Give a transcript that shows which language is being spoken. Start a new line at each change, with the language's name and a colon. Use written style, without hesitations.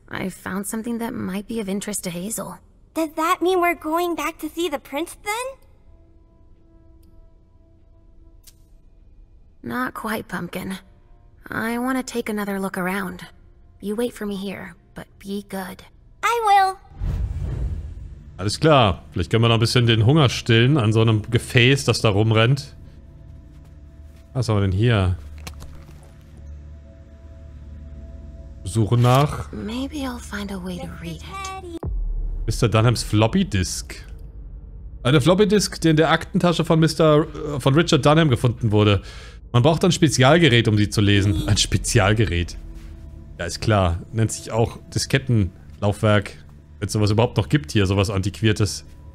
English: I found something that might be of interest to Hazel. Does that mean we're going back to see the prince then? Not quite, Pumpkin. I want to take another look around. You wait for me here, but be good. I will!
German: Alles klar. Vielleicht können wir noch ein bisschen den Hunger stillen an so einem Gefäß, das da rumrennt. Was haben wir denn hier? Suche nach.
English: Maybe I'll find a way to read it.
German: Mr. Dunhams Floppy Disk. Eine Floppy Disk, die in der Aktentasche von Richard Dunham gefunden wurde. Man braucht ein Spezialgerät, um sie zu lesen. Ein Spezialgerät. Ja, ist klar. Nennt sich auch Diskettenlaufwerk. Wenn es sowas überhaupt noch gibt hier, sowas Antiquiertes.